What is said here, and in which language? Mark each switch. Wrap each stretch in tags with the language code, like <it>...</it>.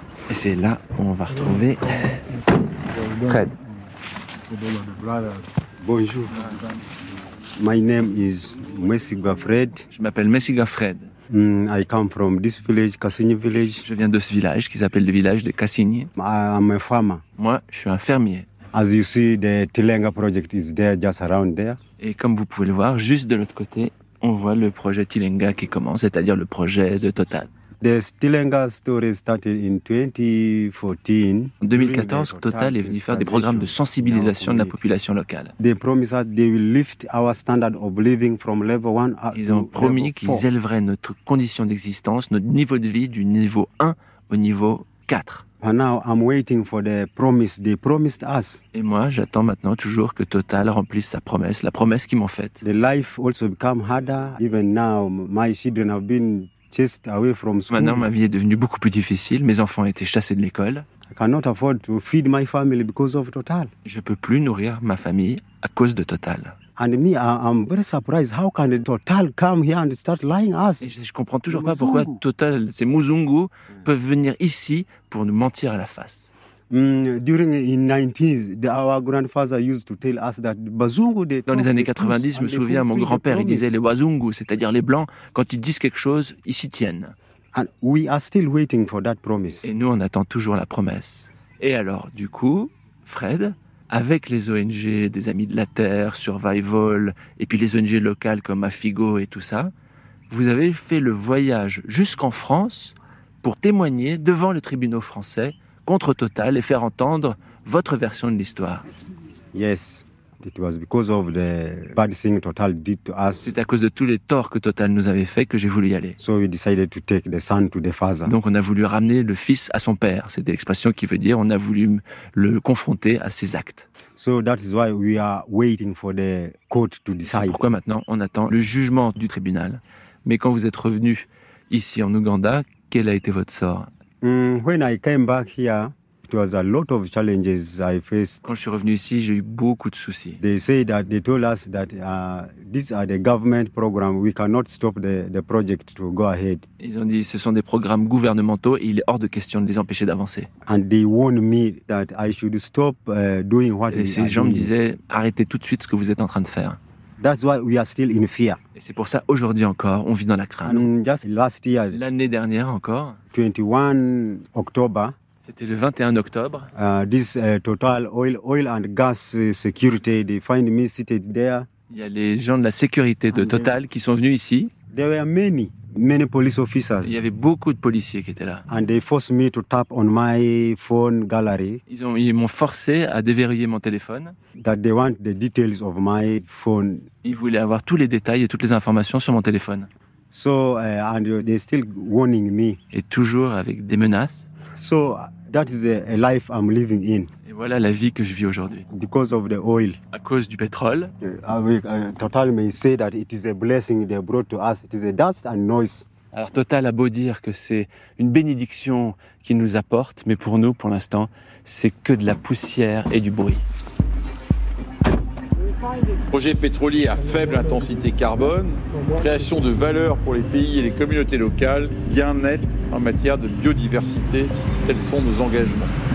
<fr>Et c'est là où on va retrouver Fred.</fr> <en>Bonjour. My name is Messiga Fred.</en> <fr>Je m'appelle Messiga Fred.</fr> <en>I come from this village, Cassigny village.</en> <fr>Je viens de ce village qui s'appelle le village de Cassigny.</fr> <en>I'm a farmer.</en> <fr>Moi, je suis un fermier.</fr> <en>As you see, the Tilenga project is there, just around there.</en> <fr>Et comme vous pouvez le voir, juste de l'autre côté, on voit le projet Tilenga qui commence, c'est-à-dire le projet de Total.</fr> <en>The Tilenga story started in 2014.</en> <fr>En 2014, Total est venu faire des programmes de sensibilisation de la population locale.</fr> <en>They promised us they will lift our standard of living from level 1 to level 4.</en> <fr>Ils ont promis qu'ils élèveraient notre condition d'existence, notre niveau de vie du niveau 1 au niveau 4.</fr> <en>And now I'm waiting for the promise they promised us.</en> <fr>Et moi, j'attends maintenant toujours que Total remplisse sa promesse, la promesse qu'ils m'ont faite.</fr> <en>The life also become harder. Even now, my children have been chased away from school.</en> <fr>Maintenant, ma vie est devenue beaucoup plus difficile. Mes enfants ont été chassés de l'école.</fr> <en>I cannot afford to feed my family because of Total.</en> <fr>Je peux plus nourrir ma famille à cause de Total.</fr> <en>And me, I'm very surprised. How can Total come here and start lying us?</en> <fr>Je comprends toujours pas pourquoi Total, ces Muzungu, peuvent venir ici pour nous mentir à la face.</fr> <en>During the 90s, our grandfather used to tell us that Bazungu.</en> <fr>Dans les années 90, je me souviens, mon grand-père, il disait les Bazungu, c'est-à-dire les Blancs, quand ils disent quelque chose, ils s'y tiennent.</fr> <en>And we are still waiting for that promise.</en> <fr>Et nous, on attend toujours la promesse. Et alors, du coup, Fred, avec les ONG, des Amis de la Terre, Survival, et puis les ONG locales comme Afigo et tout ça, vous avez fait le voyage jusqu'en France pour témoigner devant le tribunal français contre Total et faire entendre votre version de l'histoire.</fr> <en>Yes, it was because of the bad thing Total did to us.</en> <fr>C'est à cause de tous les torts que Total nous avait fait que j'ai voulu y aller.</fr> <en>So we decided to take the son to the father.</en> <fr>Donc on a voulu ramener le fils à son père. C'était l'expression qui veut dire on a voulu le confronter à ses actes.</fr> <en>So that is why we are waiting for the court to decide.</en> <fr>C'est pourquoi maintenant on attend le jugement du tribunal. Mais quand vous êtes revenu ici en Ouganda, quel a été votre sort?</fr> <en>When I came back here, it was a lot of challenges I faced.</en> <fr>Quand je suis revenu ici, j'ai eu beaucoup de soucis.</fr> <en>They say that they told us that these are the government programs. We cannot stop the project to go ahead.</en> <fr>Ils ont dit ce sont des programmes gouvernementaux et il est hors de question de les empêcher d'avancer.</fr> <en>And they warned me that I should stop doing what.</en> <fr>Et ces gens me disaient arrêtez tout de suite ce que vous êtes en train de faire.</fr> <en>That's why we are still in fear.</en> <fr>Et c'est pour ça aujourd'hui encore, on vit dans la crainte.</fr> <en>Just last year,</en> <fr>l'année dernière encore, 21 octobre, c'était le 21 octobre.</fr> <en>This Total oil and gas security, they find me seated there.</en> <fr>Il y a les gens de la sécurité de Total qui sont venus ici.</fr> <en>There were many. Many police officers.</en> <fr>Il y avait beaucoup de policiers qui étaient là.</fr> <en>And they forced me to tap on my phone gallery.</en> <fr>Ils m'ont forcé à déverrouiller mon téléphone.</fr> <en>That they want the details of my phone.</en> <fr>Ils voulaient avoir tous les détails et toutes les informations sur mon téléphone.</fr> <en>So and they're still warning me.</en> <fr>Et toujours avec des menaces.</fr> <en>So that is a life I'm living in.</en> <fr>Et voilà la vie que je vis aujourd'hui.</fr> <en>Because of the oil.</en> <fr>À cause du pétrole.</fr> <en>Total may say that it is a blessing they brought to us. It is a dust and noise.</en> <fr>Alors Total a beau dire que c'est une bénédiction qu'ils nous apportent, mais pour nous, pour l'instant, c'est que de la poussière et du bruit. Projet pétrolier à faible intensité carbone, création de valeur pour les pays et les communautés locales, gain net en matière de biodiversité, tels sont nos engagements.</fr>